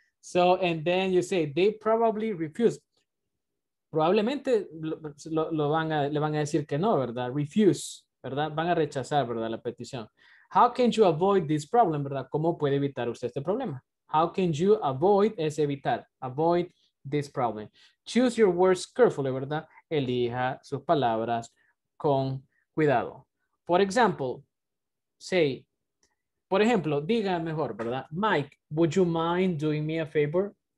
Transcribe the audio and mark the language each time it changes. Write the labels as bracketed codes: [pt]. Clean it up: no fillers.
[en] So, and then you say, they probably refuse. [es] Probablemente le van a decir que no, ¿verdad? Refuse, ¿verdad? Van a rechazar, ¿verdad? La petición. [en] How can you avoid this problem, [es] ¿verdad? ¿Cómo puede evitar usted este problema? [en] How can you avoid, [es] es evitar, [en] avoid this problem. Choose your words carefully, [es] ¿verdad? Elija sus palabras con cuidado. [en] For example, say, [es] por ejemplo, diga mejor, ¿verdad? [en] Mike, would you mind doing me a favor?